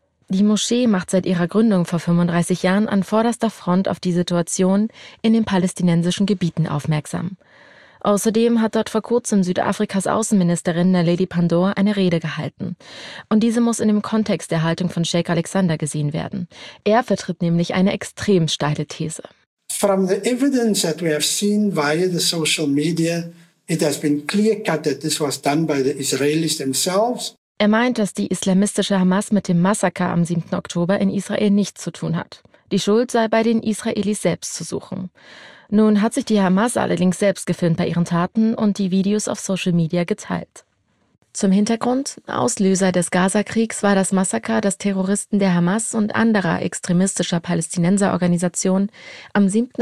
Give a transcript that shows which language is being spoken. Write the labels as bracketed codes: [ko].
[de] Die Moschee macht seit ihrer Gründung vor 35 Jahren an vorderster Front auf die Situation in den palästinensischen Gebieten aufmerksam. Außerdem hat dort vor kurzem Südafrikas Außenministerin Naledi Pandor eine Rede gehalten. Und diese muss in dem Kontext der Haltung von Sheikh Alexander gesehen werden. Er vertritt nämlich eine extrem steile These. [en] From the evidence that we have seen via the social media, it has been clear-cut that this was done by the Israelis themselves. [de] Er meint, dass die islamistische Hamas mit dem Massaker am 7. Oktober in Israel nichts zu tun hat. Die Schuld sei bei den Israelis selbst zu suchen. Nun hat sich die Hamas allerdings selbst gefilmt bei ihren Taten und die Videos auf Social Media geteilt. Zum Hintergrund: Auslöser des Gaza-Kriegs war das Massaker, das Terroristen der Hamas und anderer extremistischer Palästinenserorganisationen am 7.